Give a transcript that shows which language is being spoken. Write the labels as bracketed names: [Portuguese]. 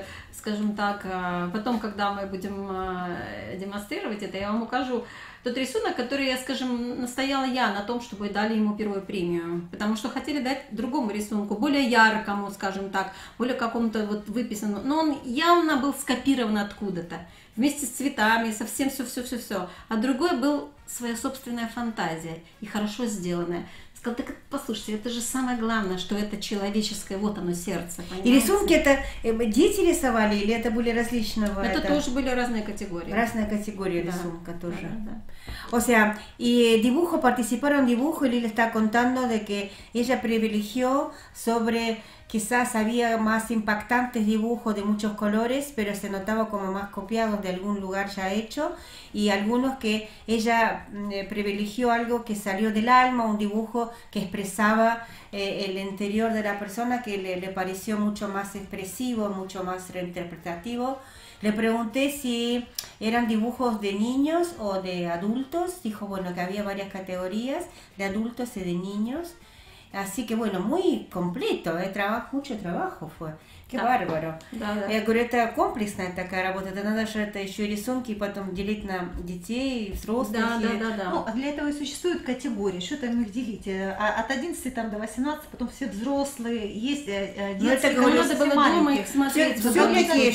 [Russian] Скажем так, потом, когда мы будем демонстрировать это, я вам укажу тот рисунок, который, настояла я на том, чтобы дали ему первую премию, потому что хотели дать другому рисунку, более яркому, скажем так, более какому-то вот выписанному, но он явно был скопирован откуда-то, вместе с цветами, совсем все, а другой был своя собственная фантазия и хорошо сделанная. Сказал, так послушайте, это же самое главное, что это человеческое, вот оно, сердце, понимаете? И рисунки это дети рисовали, или это были различного? Это тоже были разные категории. Разные категории рисунка тоже. [Spanish] O sea, y dibujo, participaron dibujo y Lili está contando de que ella privilegió sobre, quizás había más impactantes dibujos de muchos colores, pero se notaba como más copiados de algún lugar ya hecho, y algunos que ella privilegió algo que salió del alma, un dibujo que expresaba el interior de la persona, que le pareció mucho más expresivo, mucho más reinterpretativo. Le pregunté si eran dibujos de niños o de adultos. Dijo, bueno, que había varias categorías de adultos y de niños. Así que, bueno, muy completo, mucho trabajo fue. Qué bárbaro. [Russian] Да, да. Я говорю, это комплексная такая работа. Это надо же это еще рисунки потом делить на детей, взрослых. Да, да, да, да. Ну, для этого и существуют категории. Что там их делить? От 11 там, до 18, потом все взрослые. Есть детские, которые все маленькие. Надо было дома их смотреть.